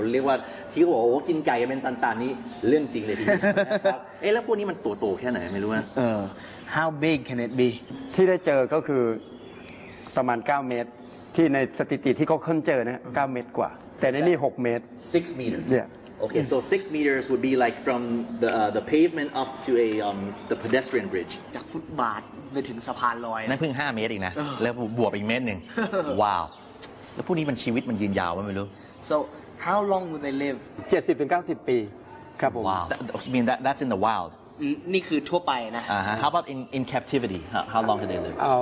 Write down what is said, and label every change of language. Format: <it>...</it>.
<th>เรียกว่าที่บอกกินไก่เป็นตันๆนี่เรื่องจริงเลยทีเดียวนะครับเอ๊ะแล้วพวกนี้มันตัวโตแค่ไหนไม่รู้นะ</th> <en>How big can it be?</en> <th>ที่ได้เจอก็คือประมาณ9เมตรที่ในสถิติที่เขาเคลื่อนเจอนะ9เมตรกว่าแต่ในนี่6เมตร</th> <en>6 meters. Yeah. Okay. So 6 meters would be like from the pavement up to a the pedestrian bridge.</en> <th>จากฟุตบาทไปถึงสะพานลอย นั่นเพิ่ง5เมตรอีกนะแล้วบวกอีกเมตรหนึ่งว้าวแล้วพวกนี้มันชีวิตมันยืนยาวไม่รู้</th> <en>so how long would they live</en> <th>70-90 ปีครับผม</th> <en>ว้าว mean that that's in the wild</en> <th>นี่คือทั่วไปนะ</th> <en>how about in captivity how long do they live</en>